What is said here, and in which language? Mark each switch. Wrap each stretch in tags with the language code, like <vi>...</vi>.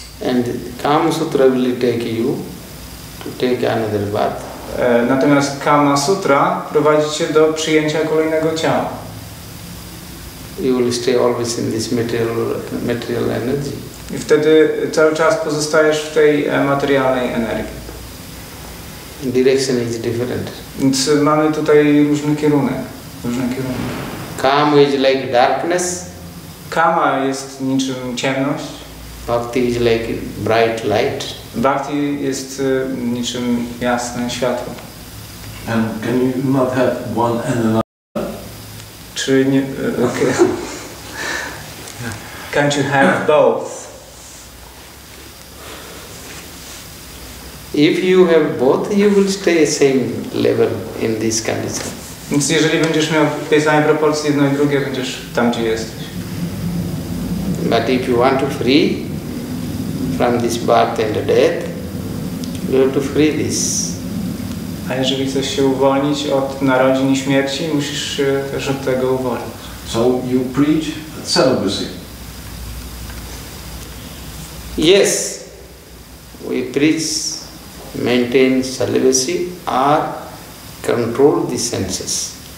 <en>And Kama Sutra will take you to take another birth.</en> <pl>Natomiast Kama Sutra prowadzi cię do przyjęcia kolejnego ciała.</pl> <en>You will stay always in this material energy.</en> <pl>I wtedy cały czas pozostajesz w tej materialnej energii.</pl> <en>Direction is different.</en> <pl>Więc mamy tutaj różne kierunki.</pl> <en>Kama is like darkness.</en> <pl>Kama jest niczym ciemność.</pl> <en>Bhakti is like bright light.</en> <pl>Bhakti jest niczym jasne światło.</pl> <en>And can you not have one and another?</en> <pl>Czy nie... Okay.</pl> <en>Can't you have both? If you have both, you will stay the same level in this condition.</en> <pl>Więc jeżeli będziesz miał w tej samej proporcji jedno i drugie, będziesz tam, gdzie jesteś.</pl> <en>But if you want to free from this birth and death, you have to free this.</en> <pl>A jeżeli chcesz się uwolnić od narodzin i śmierci, musisz się też od tego uwolnić.</pl> <en>So you preach celibacy. Yes, we preach, maintain celibacy or control the senses.</en>